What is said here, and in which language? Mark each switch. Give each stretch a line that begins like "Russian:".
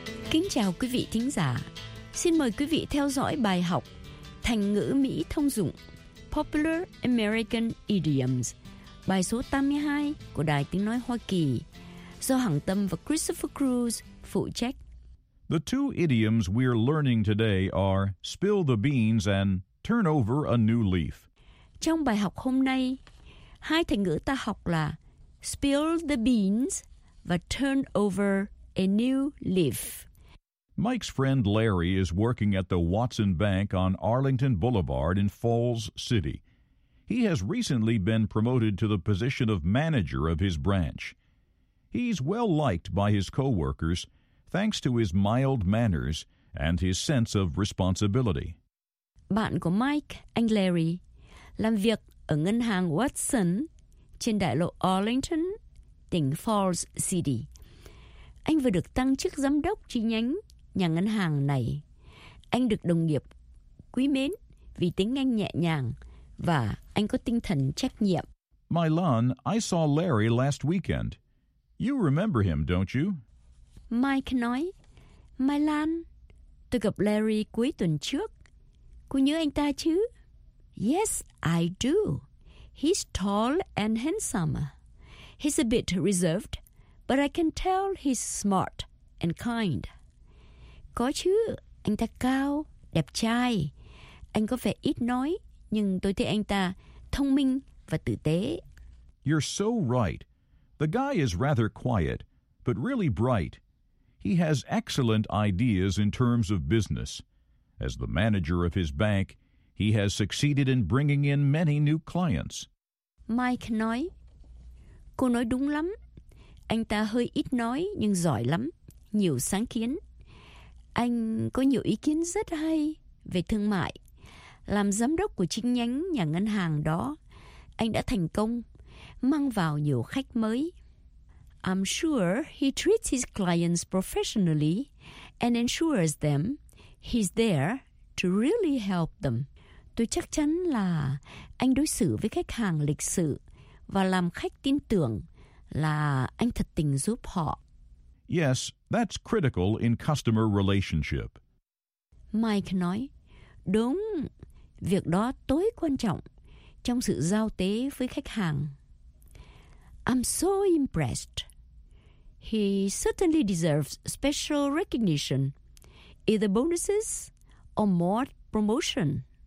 Vietnamese: Kính chào quý vị thính giả. Xin mời quý vị theo dõi bài học thành ngữ Mỹ thông dụng Popular American Idioms, bài số 82 của Đài Tiếng Nói Hoa Kỳ, do Hằng Tâm và Christopher Cruz phụ trách.
English: The two idioms we're learning today are spill the beans and turn over a new leaf.
Vietnamese: Trong bài học hôm nay, hai thành ngữ ta học là
English: spill the beans
Vietnamese: và
English: turn over a new leaf. Mike's friend Larry is working at the Watson Bank on Arlington Boulevard in Falls City. He has recently been promoted to the position of manager of his branch. He's well-liked by his coworkers, thanks to his mild manners and his sense of responsibility.
Vietnamese: Bạn của Mike, anh Larry, làm việc ở ngân hàng Watson trên đại lộ Arlington, tỉnh Falls City. Anh vừa được tăng chức giám đốc chi nhánh nhà ngân hàng này. Anh được đồng nghiệp quý mến vì tính anh nhẹ nhàng và anh có tinh thần trách nhiệm.
English: Mylon, I saw Larry last weekend. You remember him, don't you?
Vietnamese: Mike nói, Mylon, tôi gặp Larry cuối tuần trước. Cô nhớ anh ta chứ?
English: Yes, I do. He's tall and handsome. He's a bit reserved, but I can tell he's smart and kind.
Vietnamese: Có chứ, anh ta cao, đẹp trai. Anh có vẻ ít nói, nhưng tôi thấy anh ta thông minh và tử tế.
English: You're so right. The guy is rather quiet, but really bright. He has excellent ideas in terms of business. As the manager of his bank, he has succeeded in bringing in many new clients.
Vietnamese: Mike nói, cô nói đúng lắm. Anh ta hơi ít nói nhưng giỏi lắm, nhiều sáng kiến. Anh có nhiều ý kiến rất hay về thương mại. Làm giám đốc của chi nhánh nhà ngân hàng đó, anh đã thành công, mang vào nhiều khách mới.
English: I'm sure he treats his clients professionally and ensures them he's there to really help them.
Vietnamese: Tôi chắc chắn là anh đối xử với khách hàng lịch sự và làm khách tin tưởng là anh thật tình giúp họ.
English: Yes, that's critical in customer relationship.
Vietnamese: Mike nói, đúng, việc đó tối quan trọng trong sự giao tế với khách hàng.
English: I'm so impressed. He certainly deserves special recognition, either bonuses or more promotion.